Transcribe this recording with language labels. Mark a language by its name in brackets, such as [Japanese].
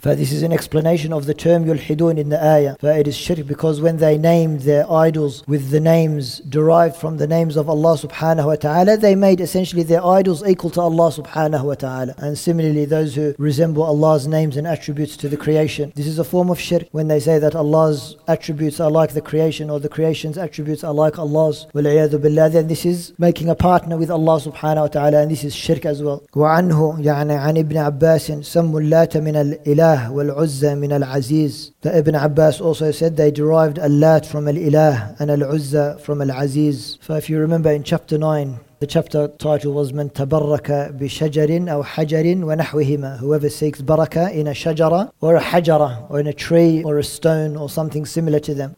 [English] For this is an explanation of the term yulhidun in the ayah. For it is shirk because when they named their idols with the names derived from the names of Allah subhanahu wa ta'ala, they made essentially their idols equal to Allah subhanahu wa ta'ala. And similarly, those who resemble Allah's names and attributes to the creation, this is a form of shirk when they say that Allah's attributes are like the creation, or the creation's attributes are like Allah's. [Arabic] Wal-iyadu billah. [English] Then this is making a partner with Allah subhanahu wa ta'ala, and this is shirk as well. [Arabic] وَعَنْهُ يَعْنِ عَنْ إِبْنِ عَبَّاسٍ سَمُّ اللَّاتَ من الإله والعزة من العزيز. [English] The Ibn Abbas also said they derived Al-Lat from Al-Ilah and Al-Uzza from Al-Aziz. So if you remember in chapter 9, the chapter title was [Arabic] من تبرك بشجر أو حجر ونحوهما. [English] Whoever seeks baraka in a shajara or a hajara or in a tree or a stone or something similar to them.